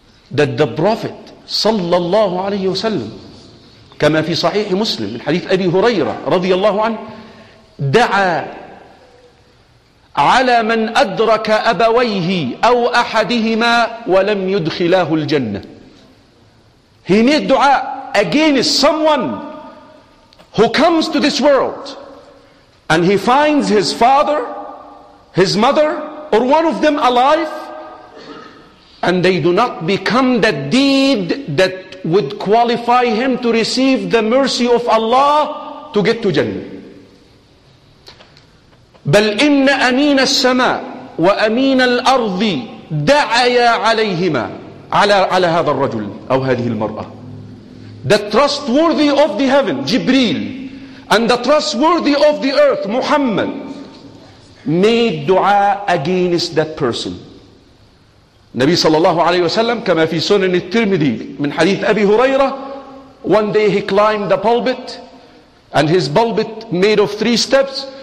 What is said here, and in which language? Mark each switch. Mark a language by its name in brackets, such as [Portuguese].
[English] that the Prophet [Arabic] صلى الله عليه وسلم كما في صحيح مسلم من حديث أبي هريرة رضي الله عنه دعا على من أدرك أبويه أو أحدهما ولم يدخلاه الجنة. [English] He made dua against someone who comes to this world and he finds his father, his mother, or one of them alive, and they do not become the deed that would qualify him to receive the mercy of Allah to get to Jannah. [Arabic] بل إن أمين السماء وأمين الأرض دعيا عليهما على هذا الرجل أو هذه المرأة. [English] The trustworthy of the heaven, Jibreel, and the trustworthy of the earth, Muhammad, made dua against that person. [Arabic] نبي صلى الله عليه وسلم كما في سنن الترمذي من حديث أبي هريرة, [English] one day he climbed the pulpit and his pulpit made of three steps.